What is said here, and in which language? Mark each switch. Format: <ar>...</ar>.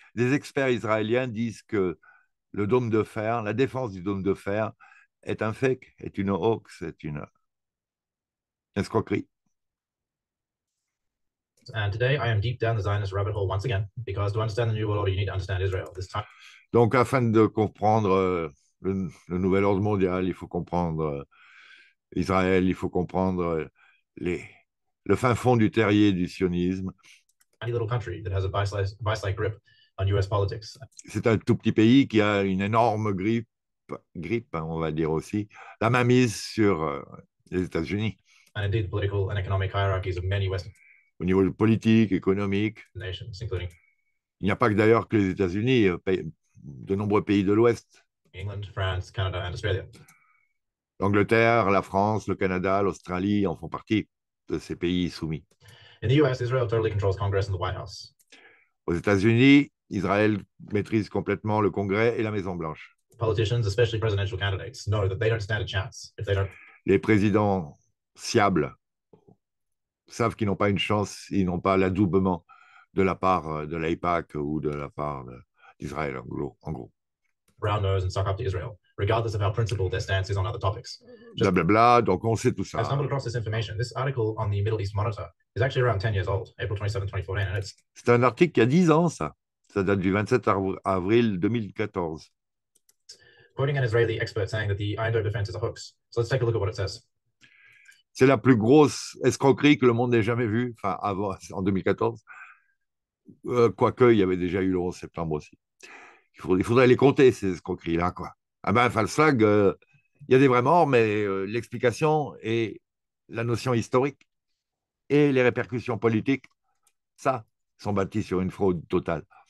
<fr>Des experts israéliens disent que le dôme de fer, la défense du dôme de fer, est un fake, est une hoax, est une escroquerie.</fr> <en>And today, I am deep down the Zionist rabbit hole once again, because to understand the new world order, you need to understand Israel. This time.</en> <fr>Donc, afin de comprendre le nouvel ordre mondial, il faut comprendre Israël, il faut comprendre le fin fond du terrier du sionisme.</fr> <en>Any little country that has a vice-like grip on US politics.</en> <fr>C'est un tout petit pays qui a une énorme grippe, on va dire aussi, la mainmise sur les États-Unis.</fr> <en>And indeed, the political and economic hierarchies of many Western</en> <fr>Au niveau politique, économique,</fr> <en>nations, including</en> <fr>il n'y a pas que d'ailleurs que les États-Unis, de nombreux pays de l'Ouest,</fr> <en>England, France, Canada, and Australia.</en> <fr>l'Angleterre, la France, le Canada, l'Australie en font partie de ces pays soumis.</fr> <en>In the US, Israel totally controls Congress and the White House.</en> <fr>Aux États-Unis, Israël maîtrise complètement le Congrès et la Maison-Blanche.</fr> <en>Politicians, especially presidential candidates, know that they don't stand a chance if they don't.</en> <fr>Les présidents sciables savent qu'ils n'ont pas une chance, ils n'ont pas l'adoubement de la part de l'AIPAC ou de la part d'Israël, en gros.</fr> <en>Brown nose and suck up to Israel, regardless of how principled their stance is on other topics. Just</en> <fr>Blablabla, donc on sait tout</fr> <en>I stumbled</en> <fr>ça.</fr> <en>across this information. This article on the Middle East Monitor is actually around 10 years old, April 27, 2014, and it's</en> <fr>C'est un article qui a 10 ans, ça. Ça date du 27 avril 2014.</fr> <en>quoting an Israeli expert saying that the Iron Dome defense is a hoax. So let's take a look at what it says.</en> <fr>C'est la plus grosse escroquerie que le monde ait jamais vue, enfin avant, en 2014. Quoique, il y avait déjà eu le 11 septembre aussi. Il faudrait les compter, ces escroqueries-là, quoi. Ah ben, Falstag, il y a des vrais morts, mais l'explication et la notion historique et les répercussions politiques, ça, sont bâtis sur une fraude totale.</fr>